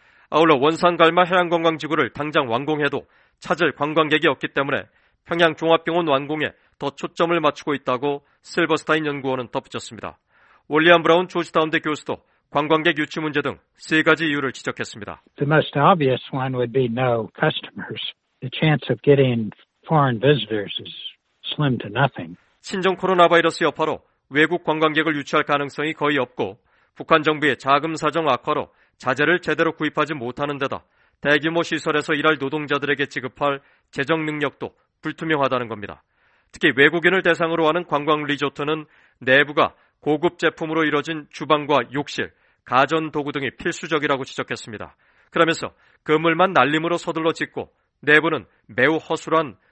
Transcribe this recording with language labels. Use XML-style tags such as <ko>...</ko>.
<ko>아울러 원산갈마 해양관광지구를 당장 완공해도 찾을 관광객이 없기 때문에 평양종합병원 완공에 더 초점을 맞추고 있다고 실버스타인 연구원은 덧붙였습니다. 월리안 브라운 조지타운대 교수도 관광객 유치 문제 등 세 가지 이유를 지적했습니다.</ko> <en>The most obvious one would be no customers. The chance of getting foreign visitors is slim to nothing.</en> <ko>신종 코로나 바이러스 여파로 외국 관광객을 유치할 가능성이 거의 없고 북한 정부의 자금 사정 악화로 자재를 제대로 구입하지 못하는 데다 대규모 시설에서 일할 노동자들에게 지급할 재정 능력도 불투명하다는 겁니다. 특히 외국인을 대상으로 하는 관광 리조트는 내부가 고급 제품으로 이뤄진 주방과 욕실, 가전 도구 등이 필수적이라고 지적했습니다. 그러면서 건물만 날림으로 서둘러 짓고 내부는 매우 허술한</ko>